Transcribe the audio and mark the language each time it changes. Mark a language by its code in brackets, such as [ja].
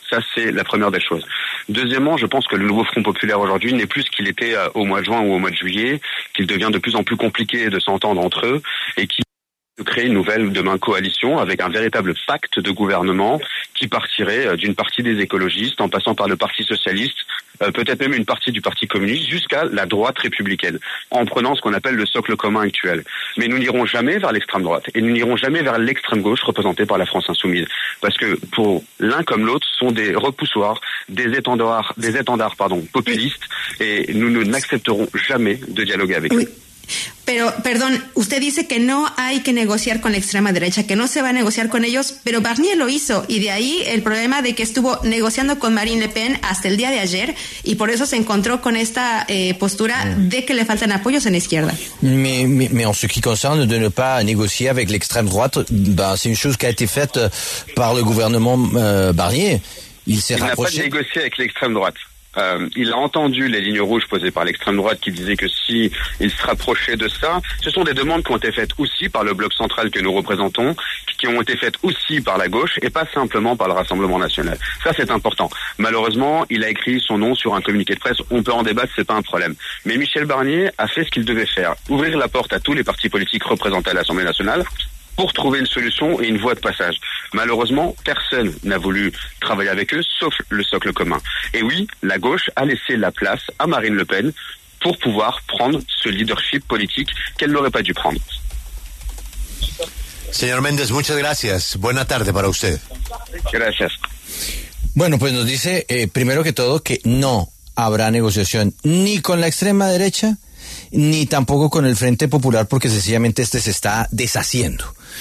[fr] Ça, c'est la première des choses. Deuxièmement, je pense que le nouveau Front Populaire aujourd'hui n'est plus ce qu'il était au mois de juin ou au mois de juillet, qu'il devient de plus en plus compliqué de s'entendre entre eux, et qui créer une nouvelle demain coalition avec un véritable pacte de gouvernement qui partirait d'une partie des écologistes en passant par le Parti Socialiste, peut-être même une partie du Parti Communiste, jusqu'à la droite républicaine, en prenant ce qu'on appelle le socle commun actuel. Mais nous n'irons jamais vers l'extrême droite, et nous n'irons jamais vers l'extrême gauche représentée par la France Insoumise. Parce que pour l'un comme l'autre, ce sont des repoussoirs, des étendards, populistes, et nous ne n'accepterons jamais de dialoguer avec eux. [es] Pero, perdón, usted dice que no hay que negociar con la extrema derecha, que no se va a negociar con ellos, pero Barnier lo hizo, y de ahí el problema de que estuvo negociando con Marine Le Pen hasta el día de ayer, y por eso se encontró con esta postura de que le faltan apoyos en la izquierda. [fr] Mais en ce qui concerne de ne pas négocier avec l'extrême droite, bah, c'est une chose qui a été faite par le gouvernement Barnier. Il n'a pas négocié avec l'extrême droite. Il a entendu les lignes rouges posées par l'extrême droite qui disait que si il se rapprochait de ça, ce sont des demandes qui ont été faites aussi par le bloc central que nous représentons, qui ont été faites aussi par la gauche et pas simplement par le Rassemblement national. Ça, c'est important. Malheureusement, il a écrit son nom sur un communiqué de presse. On peut en débattre, c'est pas un problème. Mais Michel Barnier a fait ce qu'il devait faire. Ouvrir la porte à tous les partis politiques représentés à l'Assemblée nationale pour trouver une solution et une voie de passage. Malheureusement, personne n'a voulu travailler avec eux, sauf le socle commun. Et oui, la gauche a laissé la place à Marine Le Pen pour pouvoir prendre ce leadership politique qu'elle n'aurait pas dû prendre. [es] Señor Méndez, muchas gracias. Buena tarde para usted. Gracias. Bueno, pues nos dice, primero que todo, que no habrá negociación ni con la extrema derecha, ni tampoco con el Frente Popular, porque sencillamente este se está deshaciendo.